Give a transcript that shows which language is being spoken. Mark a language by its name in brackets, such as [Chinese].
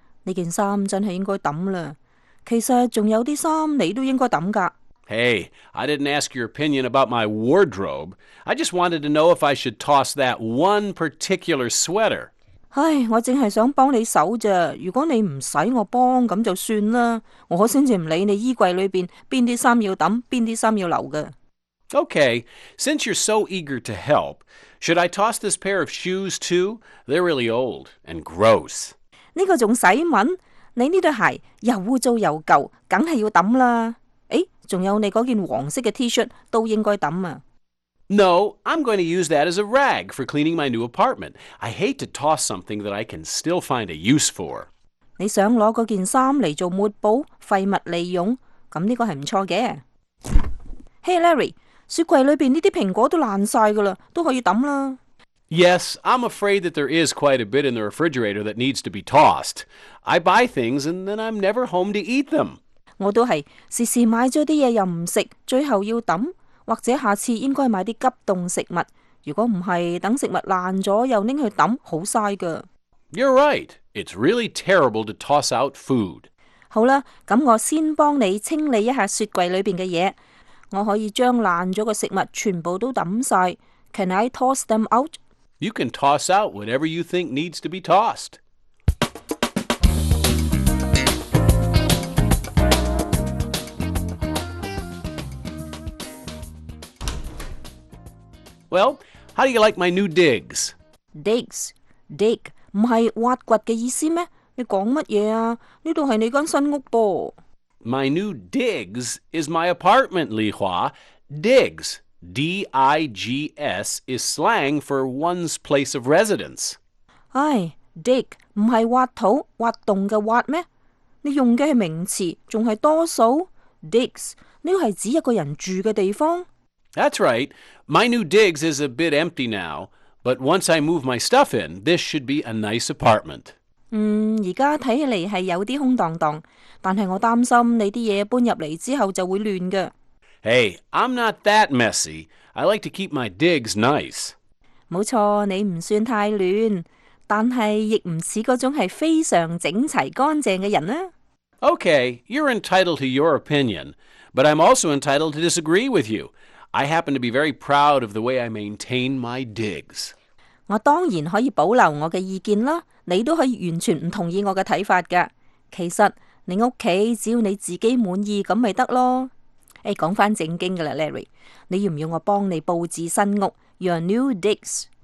[Cantonese] 你件衫真系应该抌啦，其实仲有啲衫你都应该抌噶。 [English] Hey, I didn't ask your opinion about my wardrobe. I just wanted to know if I should toss that one particular sweater. [Cantonese] 唉，我净系想帮你手咋。如果你唔使我帮，咁就算啦。我先至唔理你衣柜里边边啲衫要抌，边啲衫要留噶。 [English] Okay, since you're so eager to help, should I toss this pair of shoes too? They're really old and gross. [Cantonese] 这个还用问？你这对鞋又污糟又旧，当然要扔了。诶，还有你那件黄色的 T-shirt 都应该扔啊。 [English] No, I'm going to use that as a rag for cleaning my new apartment. I hate to toss something that I can still find a use for. [Cantonese] 你想拿那件衣服来做抹布，废物利用，那这个是不错的。 Hey Larry, 雪柜里面这些苹果都烂了，都可以扔了。 [English] Yes, I'm afraid that there is quite a bit in the refrigerator that needs to be tossed. I buy things and then I'm never home to eat them. [Cantonese] 我都是时时买了些东西又不吃，最后要扔，或者下次应该买些急冻食物，如果不是等食物烂了又拿去扔，好浪费的。 [English] You're right. It's really terrible to toss out food. [Cantonese] 好了，那我先帮你清理一下雪柜里面的东西。我可以将烂了的食物全部都扔掉。 [English] Can I toss them out? You can toss out whatever you think needs to be tossed. 。Well, how do you like my new digs? [Cantonese] Digs, dig, 唔系挖掘嘅意思咩？你讲乜嘢啊？呢度系你间新屋噃。 [English] My new digs is my apartment, Li Hua. Digs. D-I-G-S is slang for one's place of residence. [Cantonese] 唉 ,dig, 不是挖土挖洞的挖咩？你用的是名词，还是多数 ?Digs, 这是指一个人住的地方。 [English] That's right. My new digs is a bit empty now, but once I move my stuff in, this should be a nice apartment. [Cantonese] 现在看起来是有点空荡荡，但是我担心你的东西搬入来之后就会乱的。 [English] Hey, I'm not that messy. I like to keep my digs nice. [Cantonese] 没错，你不算太乱，但是亦不似那种是非常整齐干净的人啊。 [English] Okay, you're entitled to your opinion, but I'm also entitled to disagree with you. I happen to be very proud of the way I maintain my digs. [Cantonese] 我当然可以保留我的意见啦，你都可以完全不同意我的看法的。其实你屋企只要你自己满意，咁咪得咯。诶，讲翻正经噶啦 ，Larry， 你要唔要我帮你布置新屋 ？ [English] Your new digs，